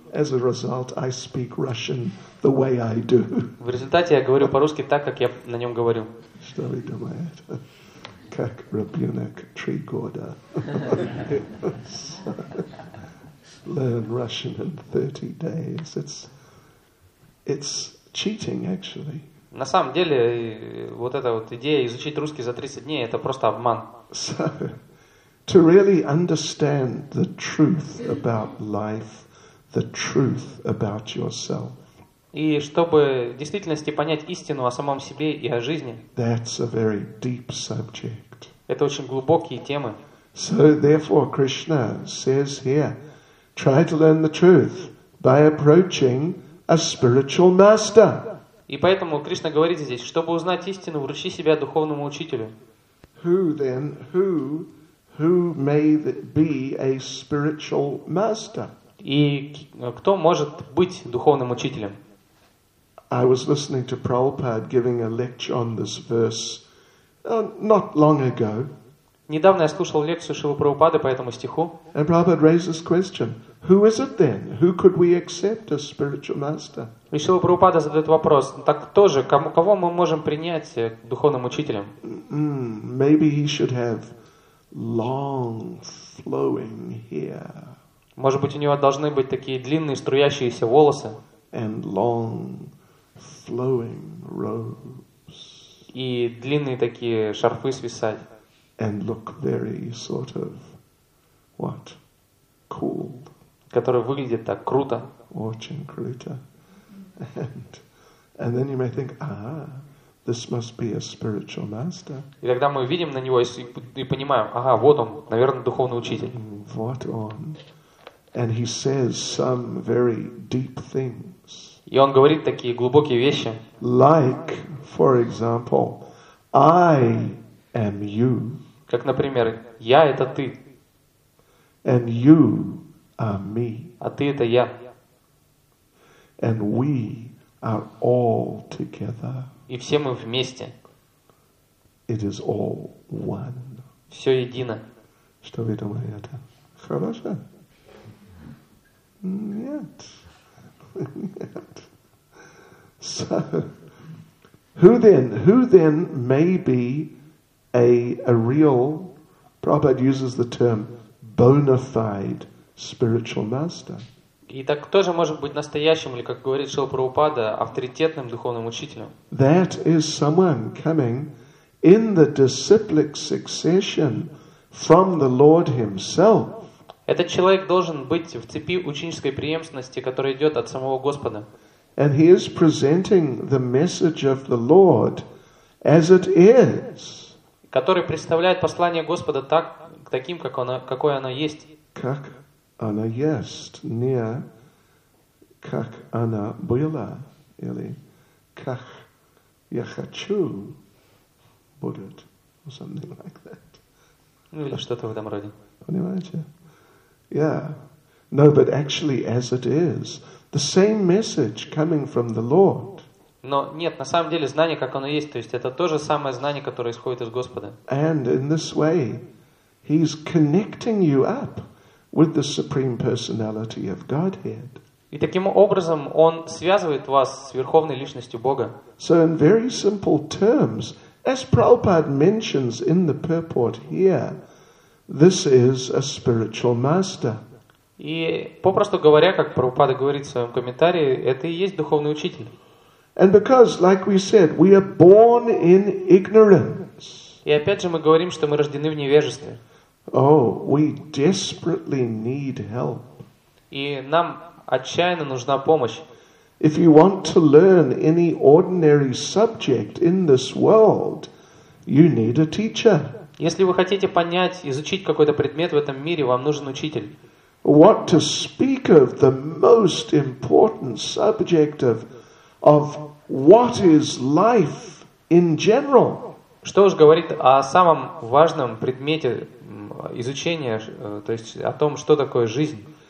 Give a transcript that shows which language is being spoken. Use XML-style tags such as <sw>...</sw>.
<en>As a result, I speak Russian the way I do.</en> <ru>В результате я говорю по-русски так, как я на нем говорю. Что вы думаете? Как ребенок 3 года.</ru> <en>Learn Russian in 30 days. It's cheating, actually.</en> <ru>На самом деле, вот эта вот идея изучить русский за 30 дней, это просто обман.</ru> <en>To really understand the truth about life, the truth about yourself.</en> <ru>И чтобы в действительности понять истину о самом себе и о жизни.</ru> <en>That's a very deep subject.</en> <ru>Это очень глубокие темы.</ru> <en>So therefore, Krishna says here, try to learn the truth by approaching a spiritual master.</en> <ru>И поэтому Кришна говорит здесь, чтобы узнать истину, вручи себя духовному учителю.</ru> <en>Who then? Who may be a spiritual master?</en> <ru>И кто может быть духовным учителем?</ru> <en>I was listening to Prabhupada giving a lecture on this verse not long ago.</en> <ru>Недавно я слушал лекцию Шрилы Прабхупады по этому стиху.</ru> <en>And Prabhupada raised this question: Who is it then? Who could we accept as spiritual master?</en> <ru>И Шрила Прабхупада задает вопрос: Так кто же, кого мы можем принять духовным учителем?</ru> <en>Maybe he should have long flowing hair.</en> <ru>Может быть, у него должны быть такие длинные струящиеся волосы.</ru> <en>And long flowing robes.</en> <ru>И длинные такие шарфы свисать.</ru> <en>And look very sort of what? Cool.</en> <ru>Которые выглядят так круто. Очень круто. And</ru> <en>And then you may think, ah, this must be a spiritual master.</en> <ru>И тогда мы видим на него и понимаем, ага, вот он, наверное, духовный учитель. Вот он.</ru> <en>And he says some very deep things.</en> <ru>И он говорит такие глубокие вещи.</ru> <en>Like, for example, I am you.</en> <ru>Как, например, я это ты.</ru> <en>And you are me.</en> <ru>А ты это я.</ru> <en>And we are all together.</en> <ru>И все мы вместе.</ru> <en>It is all one.</en> <ru>Все едино. Что вы думаете это? Хорошо? Нет. Нет.</ru> <en>So, who then may be a real, Prabhupada uses the term bona fide spiritual master.</en> <ru>И так кто же может быть настоящим, или, как говорит Шрила Прабхупада, авторитетным духовным учителем?</ru> <en>That is someone coming in the disciplic succession from the Lord himself.</en> <ru>Этот человек должен быть в цепи ученической преемственности, которая идет от самого Господа.</ru> <en>And he is presenting the message of the Lord as it is.</en> <ru>Который представляет послание Господа так, таким, как оно, какое оно есть. Как? Она есть, не как она была, или как я хочу будет,</ru> <en>or something like that.</en> <ru>Ну или что-то в этом роде. Понимаете?</ru> <en>Yeah. No, but actually as it is. The same message coming from the Lord.</en> <ru>Но нет, на самом деле знание, как оно есть, то есть это то же самое знание, которое исходит из Господа.</ru> <en>And in this way, he's connecting you up with the Supreme Personality of Godhead.</en> <ru>И таким образом он связывает вас с Верховной Личностью Бога.</ru> <en>So in very simple terms, as Prabhupada mentions in the purport here, this is a spiritual master.</en> <ru>И попросту говоря, как Прабхупада говорит в своем комментарии, это и есть духовный учитель.</ru> <en>And because, like we said, we are born in ignorance.</en> <ru>И опять же мы говорим, что мы рождены в невежестве.</ru> <en>Oh, we desperately need help.</en> <ru>И нам отчаянно нужна помощь.</ru> <en>If you want to learn any ordinary subject in this world, you need a teacher.</en> <ru>Если вы хотите понять, изучить какой-то предмет в этом мире, вам нужен учитель.</ru> <en>What to speak of the most important subject of what is life in general?</en> <ru>Что уж говорить о самом важном предмете изучения, то есть о том, что такое жизнь.</ru>